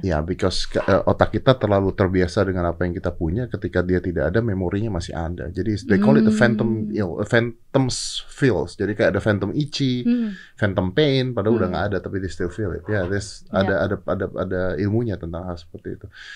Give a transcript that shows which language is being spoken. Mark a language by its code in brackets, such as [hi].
[id] Ya, yeah, because otak kita terlalu terbiasa dengan apa yang kita punya, ketika dia tidak ada, memorinya masih ada. Jadi [en] they call it the phantom ill, phantoms feels. [id] Jadi kayak ada phantom itchy, phantom pain. Padahal udah nggak ada, tapi [en] they still feel it. Yeah, this [id] ada ilmunya tentang hal seperti itu.